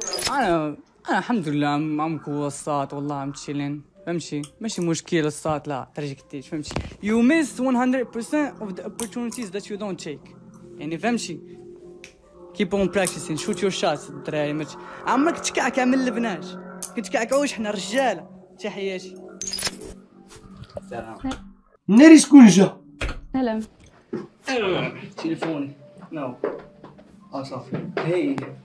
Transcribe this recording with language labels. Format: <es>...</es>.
<ar>أنا الحمد لله معك وصات والله عم تشيلين. فهمتي ماشي مشكل الصات لا ترجع كتير. فهمتي</ar> <en>You miss 100% of the opportunities that you don't take.</en> <ar>يعني فهمتي</ar> <en>Keep on practicing. Shoot your shots.</en> <ar>دراري مش عمرك تكعك من البنات. كنت كعكوش حنا رجالة. تحياتي. سلام. ناري شكون جا؟ سلام. تليفوني. نو. صافي. هاي.</ar>